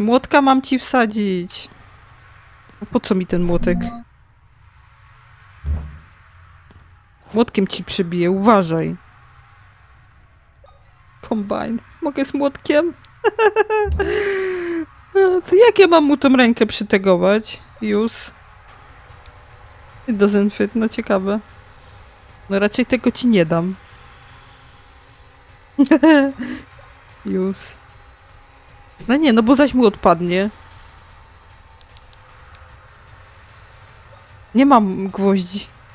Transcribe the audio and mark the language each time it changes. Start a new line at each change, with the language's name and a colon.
Polish: Młotka mam ci wsadzić. Po co mi ten młotek? Młotkiem ci przybiję, uważaj. Combine. Mogę z młotkiem? To jak ja mam mu tą rękę przytegować?
English: Use. It doesn't fit,
Polish: no ciekawe. No raczej tego ci nie dam. Use. No nie, no bo zaś mu odpadnie. Nie mam gwoździ.